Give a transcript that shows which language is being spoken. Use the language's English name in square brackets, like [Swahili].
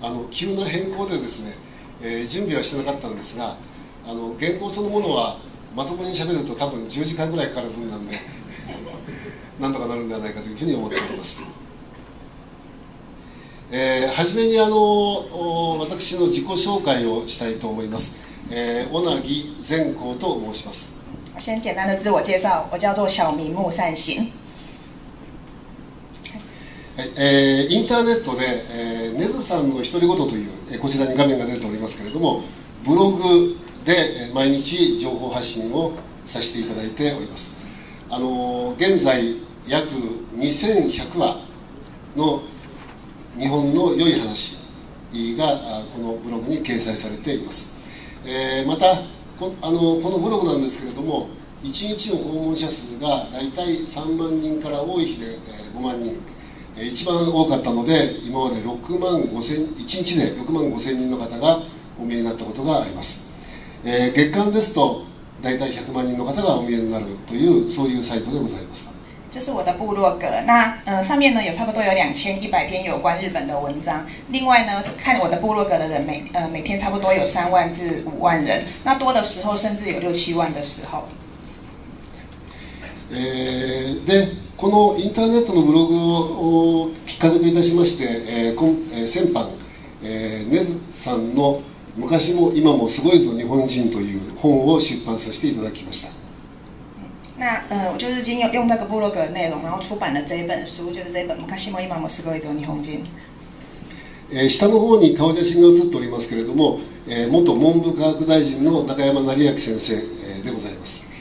[Japanese] 急な変更でですね、準備はしてなかったんですが、原稿そのものはまともにしゃべると多分10時間ぐらいかかる分なんでなんとかなるんではないかというふうに思っております。はじめに私の自己紹介をしたいと思います。小名木善光と申します。 [Chinese] 我先简单的自我介绍，我叫做小明木善信。 [Japanese] インターネットで、根津さんの独り言という、こちらに画面が出ておりますけれども、ブログで毎日情報発信をさせていただいております。現在約2100話の日本の良い話がこのブログに掲載されています。またこのブログなんですけれども、1日の訪問者数が大体3万人から多い日で5万人、一番多かったので今まで6万5千人の方がお見えになったことがあります。月間ですと大体100万人の方がお見えになるという、そういうサイトでございます。 [Chinese] 这是我的部落格，那上面呢有差不多有2100篇有关日本的文章。另外呢，看我的部落格的人每天差不多有3万至5万人，那多的时候甚至有6、7万的时候。 [Japanese] で、このインターネットのブログをきっかけといたしまして、先般、根津さんの昔も今もすごいぞ日本人という本を出版させていただきました。 [Chinese] 那我就是今用那个部落格内容，然后出版了这一本书，就是这本《昔も今もすごいぞ日本人》。 [Japanese] 下の方に顔写真が写っておりますけれども、元文部科学大臣の中山成明先生、でございます。